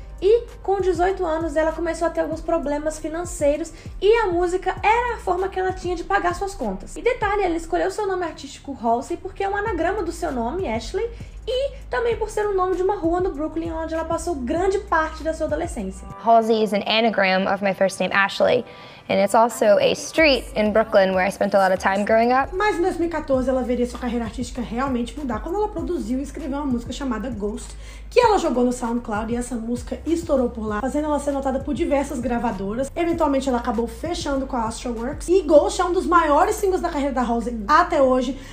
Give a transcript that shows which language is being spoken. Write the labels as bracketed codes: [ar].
[pt] E com 18 anos, ela começou a ter alguns problemas financeiros e a música era a forma que ela tinha de pagar suas contas. E detalhe, ela escolheu seu nome artístico Halsey porque é um anagrama do seu nome, Ashley, e também por ser o nome de uma rua no Brooklyn onde ela passou grande parte da sua adolescência. [en] Halsey is an anagram of my first name, Ashley, and it's also a street in Brooklyn where I spent a lot of time growing up. [pt] Mas em 2014 ela veria sua carreira artística realmente mudar quando ela produziu e escreveu uma música chamada Ghost, que ela jogou no SoundCloud e essa música estourou por lá, fazendo ela ser notada por diversas gravadoras. Eventualmente ela acabou fechando com a Astroworks e Ghost é um dos maiores singles da carreira da Halsey até hoje.